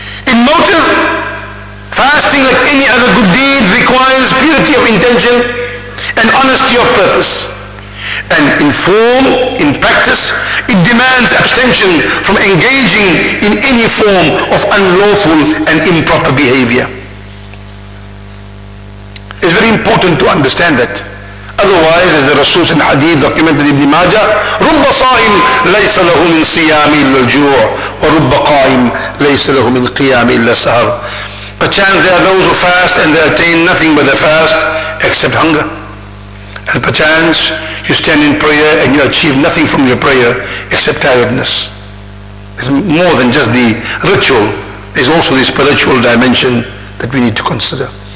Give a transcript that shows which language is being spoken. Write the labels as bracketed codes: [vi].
[en] In motive, fasting, like any other good deed, requires purity of intention and honesty of purpose. And in form, in practice, it demands abstention from engaging in any form of unlawful and improper behavior. It's very important to understand that. Otherwise, as the Rasul in Hadith documented Ibn Majah, [ar] رُبَّ صَائِمٍ لَيْسَ لَهُ مِنْ صِيَامِ إِلَّا الْجُوعِ وَرُبَّ قَائِمٍ لَيْسَ لَهُ مِنْ قِيَامِ إِلَّا السَّهَرِ. [en] Perchance there are those who fast and they attain nothing but the fast except hunger. And perchance you stand in prayer and you achieve nothing from your prayer except tiredness. It's more than just the ritual. There's also the spiritual dimension that we need to consider.